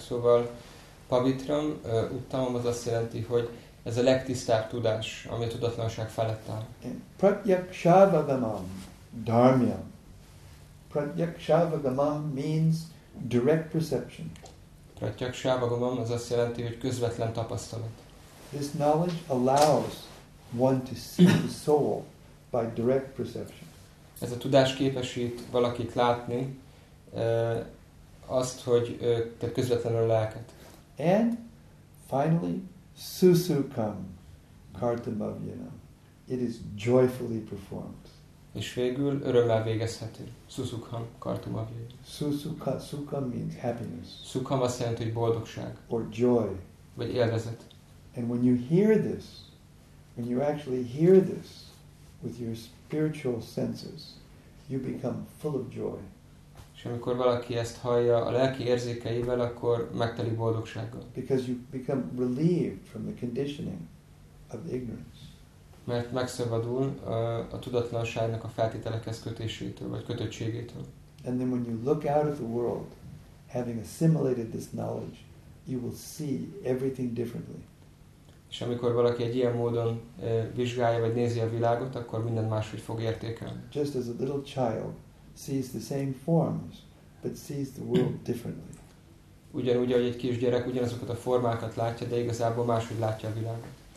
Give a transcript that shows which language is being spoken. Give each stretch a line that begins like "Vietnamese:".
Hungarian: Szóval pavitram, utamam az azt jelenti, hogy ez a legtisztább tudás, ami a tudatlanság felett áll.
English: Pratyakshavagamam, dharmyam. Pratyakshavagamam means direct perception.
Hungarian: Pratyakshavagamam az azt jelenti, hogy közvetlen tapasztalat.
English: This knowledge allows one to see the soul by direct perception.
Hungarian: Ez a tudás képesít valakit látni azt, hogy te közvetlenül a lelket.
English: And finally, susukam kartamavyanam. It is joyfully performed.
Hungarian: És végül örömmel végezhető.
Sanskrit: Susukam kartamavyanam.
English: Susukam means happiness.
Hungarian: Sukam azt jelenti, hogy boldogság.
English: Or joy.
Hungarian: Vagy élvezet.
English: And when you hear this, when you actually hear this with your spiritual senses, you become full of joy.
Hungarian: És amikor valaki ezt hallja a lelki érzékeivel, akkor megteli boldogsággal.
English: Because you become relieved from the conditioning of ignorance.
Hungarian: Mert megszabadul a tudatlanságnak a feltételekhez kötésétől, vagy kötöttségétől.
English: And then when you look out at the world, having assimilated this knowledge, you will see everything differently.
Hungarian: És amikor valaki egy ilyen módon vizsgálja vagy nézi a világot, akkor minden máshogy fog értékelni.
English: Just as a little child sees the same forms, but sees the world differently.
Hungarian: Ugyanúgy, ahogy egy kisgyerek ugyanazokat a formákat látja, de igazából máshogy látja a világot.